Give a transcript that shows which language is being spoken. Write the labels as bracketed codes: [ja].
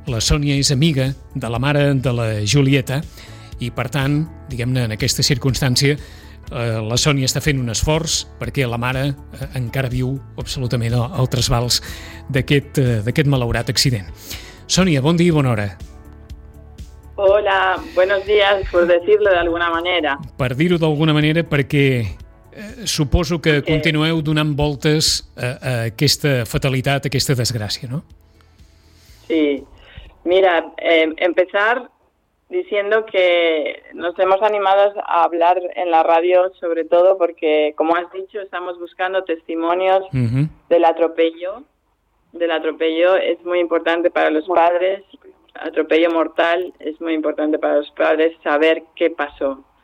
[ca] La Sònia és amiga de la mare de la Julieta i, per tant, diguem-ne, en aquesta circumstància, la Sònia està fent un esforç perquè la mare encara viu absolutament al trasbals d'aquest malaurat accident. Sònia, bon dia i bona hora. [es] Hola, buenos días, por decirlo de alguna manera. [ca] Per dir-ho d'alguna manera, perquè suposo que continueu donant voltes a aquesta fatalitat, a aquesta desgràcia, no? [es] Sí. Mira, empezar diciendo que nos hemos animado a hablar en la radio, sobre todo porque, como has dicho, estamos buscando testimonios del atropello. Es muy importante para los padres. Atropello mortal, es muy importante para los padres saber qué pasó.